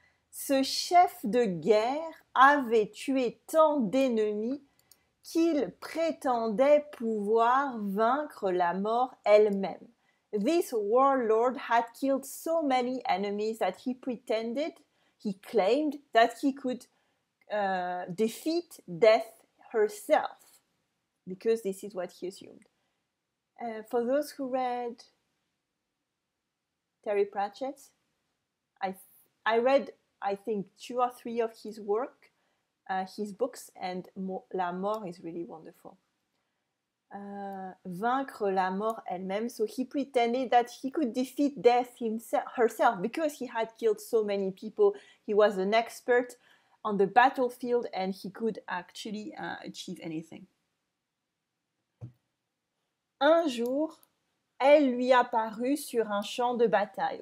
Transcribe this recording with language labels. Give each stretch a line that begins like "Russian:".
French: Ce chef de guerre avait tué tant d'ennemis qu'il prétendait pouvoir vaincre la mort elle-même.
English: This warlord had killed so many enemies that he claimed that he could defeat death herself, because this is what he assumed. For those who read Terry Pratchett, I read, I think, two or three of his work, his books, and La Mort is really wonderful.
French: Vaincre la mort elle-même,
English: so he pretended that he could defeat death himself, herself, because he had killed so many people. He was an expert on the battlefield, and he could actually achieve anything.
French: Un jour, elle lui apparut sur un champ de bataille.